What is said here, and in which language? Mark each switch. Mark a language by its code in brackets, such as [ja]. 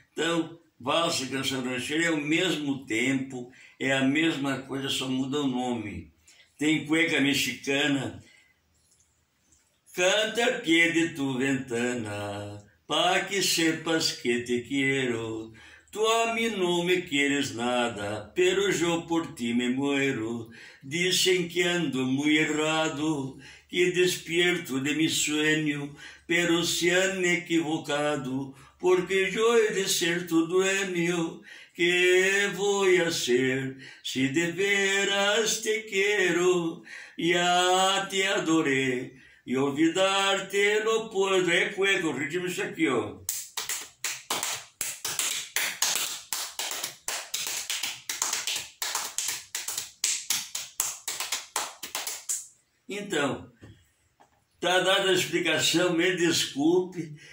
[pt] Então, valsa e canção rancheira é o mesmo tempo, é a mesma coisa, só muda o nome. Tem cueca mexicana. [es] Canta a pie de tu ventana, pa' que sepas que te quiero. [pt] Tu a mim não me queres nada, [es] pero yo por ti me muero. Dicen que ando muy errado, que despierto de mi sueño, pero se han equivocado. Porque yo he de ser tu dueño, que voy a ser, si de veras te quiero, ya te adoré, y olvidarte no puedo. [pt] É cueca, o ritmo é isso aqui, ó. Então, tá dada a explicação, me desculpe.